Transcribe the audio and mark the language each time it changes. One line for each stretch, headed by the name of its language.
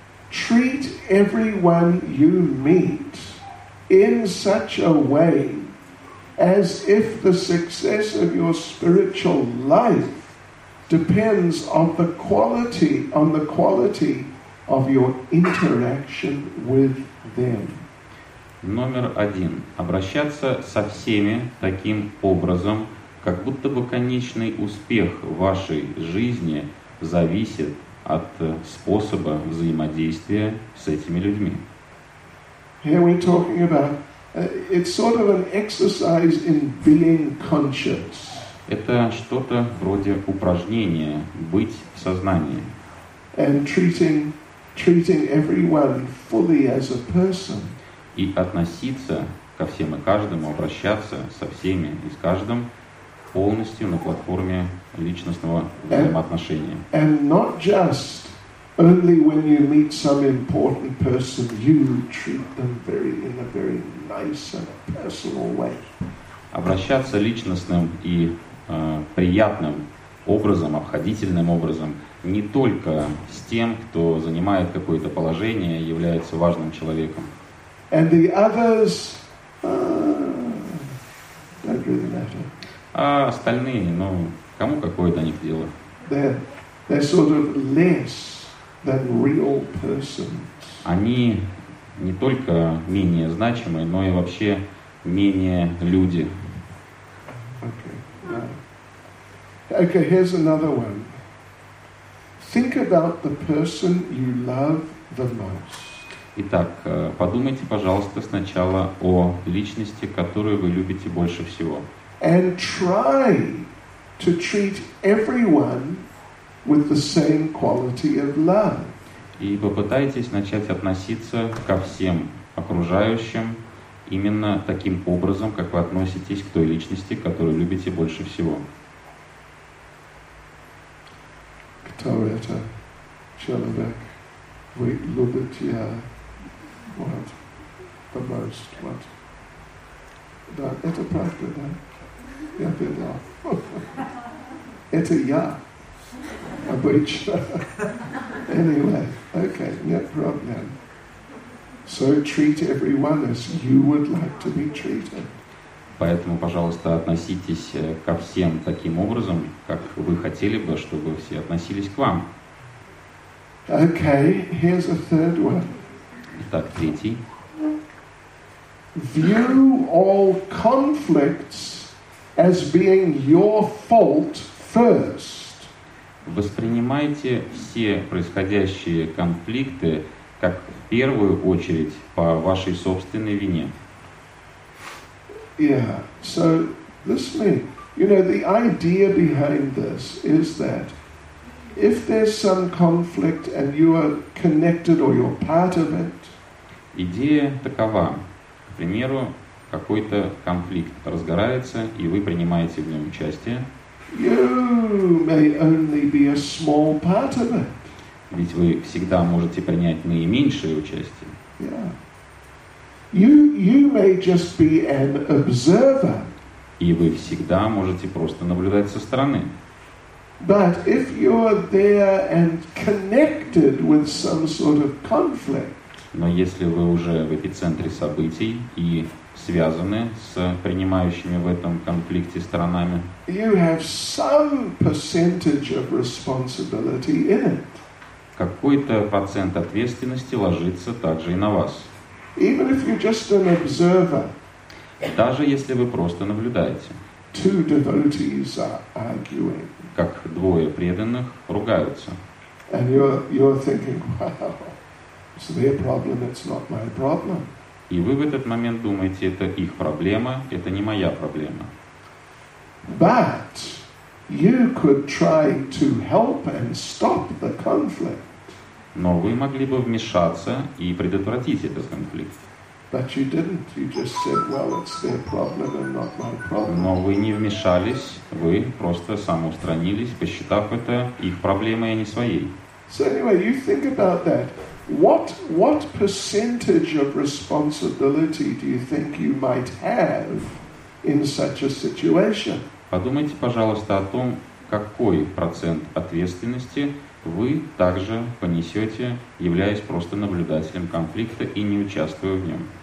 English: Treat everyone you meet in such a way as if the success of your spiritual life depends on the quality of your interaction with them.
Russian: Номер один. Обращаться со всеми таким образом, как будто бы конечный успех вашей жизни зависит от способа взаимодействия с этими людьми.
English: Here we're talking about it's sort of an exercise in being conscious.
Russian: Это что-то вроде упражнения «Быть в сознании».
English: And treating everyone fully as a person.
Russian: И относиться ко всем и каждому, обращаться со всеми и с каждым полностью на платформе личностного взаимоотношения.
English: And not just only when you meet some important person, you treat them in a very nice and personal way.
Russian: Обращаться личностным и приятным образом, обходительным образом, не только с тем, кто занимает какое-то положение, является важным человеком.
English: And the others, don't really matter.
Russian: А остальные, ну, кому какое до них дело?
English: They're sort of less than real persons.
Russian: Они не только менее значимые, но и вообще менее люди.
English: Okay, here's another one. Think about the person you love the most.
Russian: Итак, подумайте, пожалуйста, сначала о личности, которую вы любите больше всего.
English: And try to treat everyone with the same quality of love.
Russian: И попытайтесь начать относиться ко всем окружающим именно таким образом, как вы относитесь к той личности, которую любите больше всего. Кто это? Человек. Вы любите я.
English: What? The most. What?
Russian: Да, это правда, да? Я беда. Это я. Обычно. Anyway. Okay. Нет проблем.
English: So treat everyone as you would like to be treated.
Russian: Поэтому, пожалуйста, относитесь ко всем таким образом, как вы хотели бы, чтобы все относились к вам.
English: Okay, here's a third one.
Russian: Итак, третий.
English: View all conflicts as being your fault first.
Russian: Воспринимайте все происходящие конфликты как в первую очередь по вашей собственной вине.
English: Yeah, so this means, you know, the idea behind this is that If there's some conflict and you are connected or you're part of it.
Russian: Идея такова. К примеру, какой-то конфликт разгорается, и вы принимаете в нем участие.
English: You may only be a small part of it.
Russian: Ведь вы всегда можете принять наименьшее участие.
English: Yeah. You may just be an observer.
Russian: И вы всегда можете просто наблюдать со стороны.
English: But if you're there and connected with some sort of conflict.
Russian: Но если вы уже в эпицентре событий и связаны с принимающими в этом конфликте сторонами.
English: You have some percentage of responsibility in it.
Russian: Какой-то процент ответственности ложится также и на вас.
English: Even if you're just an observer,
Russian: даже если вы просто наблюдаете,
English: two devotees are arguing,
Russian: как двое преданных ругаются.
English: And you're thinking, wow, it's their problem, it's not my problem.
Russian: И вы в этот момент думаете, это их проблема, это не моя проблема.
English: But you could try to help and stop the conflict.
Russian: Но вы могли бы вмешаться и предотвратить этот конфликт.
English: But you didn't. You just said, well, it's their problem and not my problem.
Russian: Но вы не вмешались, вы просто самоустранились, посчитав это их проблемой, а не своей.
English: So anyway, you think about that. What percentage of responsibility do you think you might have in such a situation?
Russian: Подумайте, пожалуйста, о том, какой процент ответственности вы также понесете, являясь просто наблюдателем конфликта и не участвуя в нем.